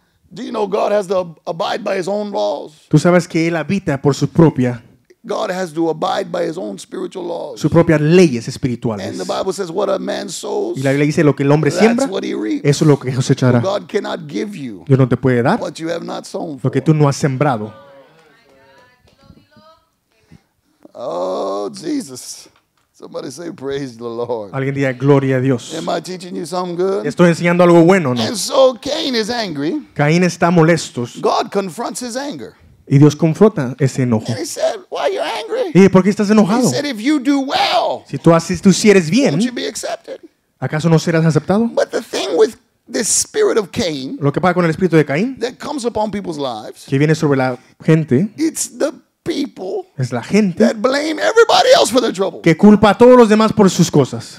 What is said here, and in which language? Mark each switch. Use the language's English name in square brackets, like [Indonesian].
[English] Do you know God has to abide by his own laws? [Spanish] Tú sabes que él habita por su propia. [English] God has to abide by his own spiritual laws. [Spanish] Sus propias leyes espirituales. [English] And the Bible says what a man sows, [Spanish] y la Biblia dice lo que el hombre siembra, [English] that's what he reaps. [Spanish] Eso es lo que cosechará. [English] God cannot give you, [Spanish] Dios no te puede dar [English] what you have not sown [Spanish] lo que tú no has sembrado. [English] Oh, Jesus. Somebody say praise the Lord. [Spanish] Alguien diga gloria a Dios. [English] Am I teaching you something good? [Spanish] ¿Estoy enseñando algo bueno o no? [English] And so Cain is angry. [Spanish] Caín está molesto. [English] God confronts his anger. [Spanish] Y Dios confronta ese enojo. [English] And he said, why are you angry? [Spanish] Y dice, ¿por qué estás enojado? [English] He said, if you do well, [Spanish] si tú haces, tú si eres bien, [English] won't you be accepted? [Spanish] ¿Acaso no serás aceptado? [English] But the thing with the spirit of Cain, [Spanish] lo que pasa con el espíritu de Caín, [English] that comes upon people's lives, [Spanish] que viene sobre la gente, [English] it's the people, [Spanish] es la gente, [English] that blame everybody else for their trouble, [Spanish] que culpa a todos los demás por sus cosas.